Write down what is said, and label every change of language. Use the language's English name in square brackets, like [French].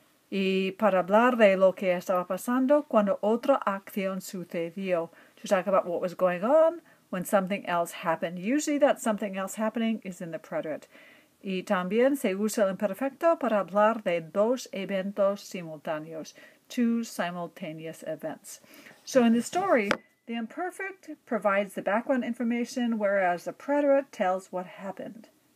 [Spanish] Y para hablar de lo que estaba pasando cuando otra acción sucedió. [English] To talk about what was going on when something else happened. Usually that something else happening is in the preterite. [Spanish] Y también se usa el imperfecto para hablar de dos eventos simultáneos. [English] Two simultaneous events. So in the story, the imperfect provides the background information, whereas the preterite tells what happened.